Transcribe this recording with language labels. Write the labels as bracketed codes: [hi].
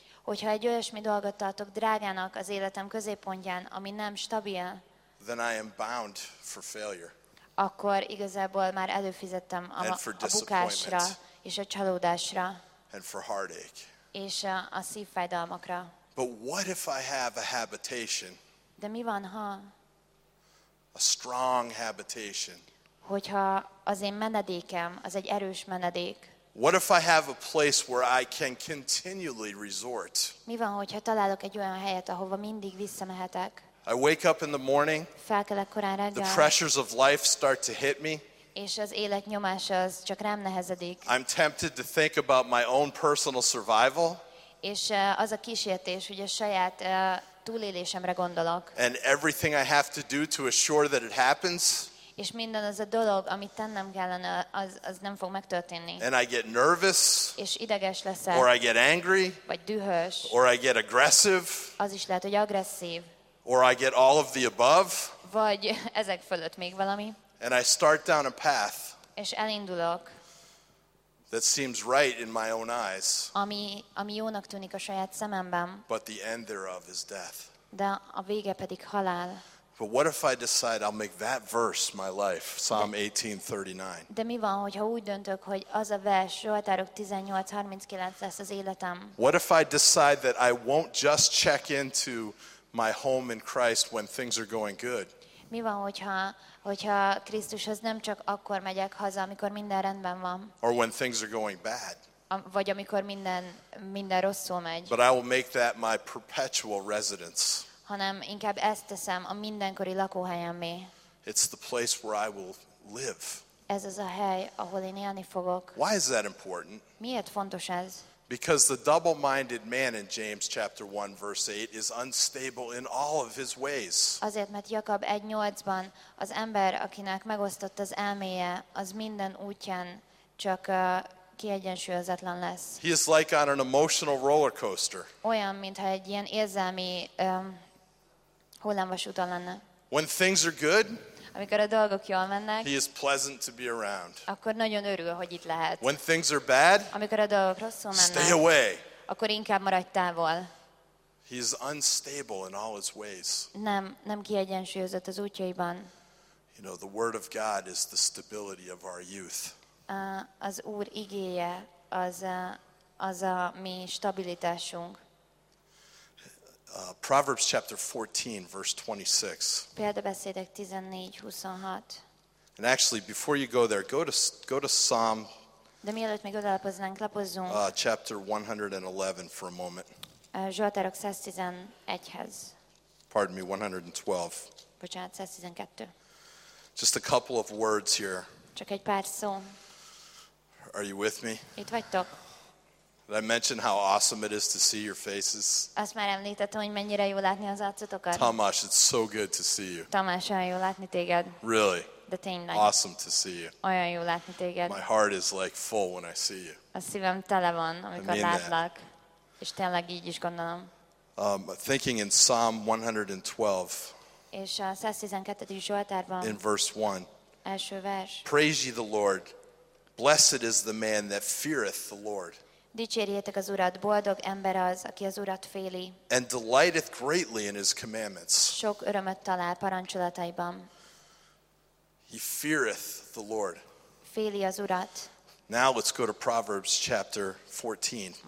[hu] Hogyha egy olyasmi dolgot tartok drágának az életem középpontján, ami nem stabil. [en] Then I am bound for failure. [hu] Akkor igazából már előfizettem a bukásra és a csalódásra. [en] And for heartache. [hu] És a szívfájdalmakra. [en] But what if I have a habitation? [hu] De mi van, ha? [en] A strong habitation. [hu] Hogyha az én menedékem, az egy erős menedék. [en] What if I have a place where I can continually resort? [hu] Mi van, hogyha találok egy olyan helyet, ahova mindig visszamehetek? [en] I wake up in the morning. [hu] Felkelek korán reggel. [en] The pressures of life start to hit me. [hu] És az élet nyomása az csak rám nehezedik. [en] I'm tempted to think about my own personal survival. [hu] És az a kísértés, hogy a saját túlélésemre gondolok. [en] And everything I have to do to assure that it happens. [hu] És minden az a dolog, amit tennem kellene, az nem fog megtörténni. [en] And I get nervous. [hu] És ideges leszek. [en] Or I get angry. [hu] Vagy dühös. [en] Or I get aggressive. [hu] Az is lehet, hogy agresszív. [en] Or I get all of the above. [hu] Vagy ezek fölött még valami. [en] And I start down a path. [hu] És elindulok. [en] That seems right in my own eyes. [hu] Ami jónak tűnik a saját szememben. [en] But the end thereof is death. [hu] De a vége pedig halál. [en] But what if I decide I'll make that verse my life, Psalm 18:39? [hu] De mi van, hogyha úgy döntök, hogy az a vers, Zsoltárok 18:39 lesz az életem? [en] What if I decide that I won't just check into my home in Christ when things are going good? [hu] Mi van, hogyha Krisztushoz nem csak akkor megyek haza, amikor minden rendben van? [en] Or when things are going bad? [hu] Vagy amikor minden rosszul megy? [en] But I will make that my perpetual residence. [hu] Hanem inkább ezt teszem a mindenkori lakóhelyemmé. [en] It's the place where I will live. [hu] Ez az a hely, ahol én élni fogok. [en] Why is that important? [hu] Miért fontos ez? [en] Because the double-minded man in James chapter 1 verse 8 is unstable in all of his ways. [hu] Azért, mert Jakab 1:8-ban az ember, akinek megosztott az elméje, az minden útján csak kiegyensúlyozatlan lesz. [en] He is like on an emotional roller coaster. [hu] Olyan, mintha egy ilyen érzelmi hullámvasúton lenne. [en] When things are good, [hu] amikor a dolgok jól mennek, [en] he is pleasant to be around. [hu] Akkor nagyon örül, hogy itt lehet. [en] When things are bad, [hu] amikor a dolgok rosszul mennek, [en] stay away. [hu] Akkor inkább maradj távol. [en] He is unstable in all his ways. [hu] Nem kiegyensúlyozott az útjaiban. [en] You know, the word of God is the stability of our youth. [hu] Az Úr igéje az a mi stabilitásunk. [en] Proverbs chapter 14 verse 26. [hu] Példabeszédek 14:26. [en] And actually before you go there, go to Psalm. [hu] De mielőtt még odalapoznánk, lapozzunk. [en] Chapter 111 for a moment. [hu] Zsoltárok 111-hez. [en] Pardon me, 112. [hu] Bocsánat, 112. [en] Just a couple of words here. [hu] Csak egy pár szó. [en] Are you with me? [hu] Itt vagytok. [en] Did I mention how awesome it is to see your faces? [hu] Azt már említettem, hogy mennyire jó látni az arcotokat. [en] Tamás, it's so good to see you. [hu] Tamás, olyan jó látni téged. [en] Really? [hu] De tényleg. [en] Awesome to see you. [hu] Olyan jó látni téged. [en] My heart is like full when I see you. [hu] A szívem tele van, amikor látlak. És tényleg így is gondolom. [en] Thinking in Psalm 112. [hu] És a 112. Zsoltárban. [en] In verse 1. [hu] Első vers. [en] Praise ye the Lord. Blessed is the man that feareth the Lord. [hu] Dicsérjétek az Urat, boldog ember az, aki az Urat féli. [en] And delighteth greatly in his commandments. [hu] Sok örömet talál parancsolataiban. [en] He feareth the Lord. [hu] Féli az Urat. [en] Now let's go to Proverbs chapter 14.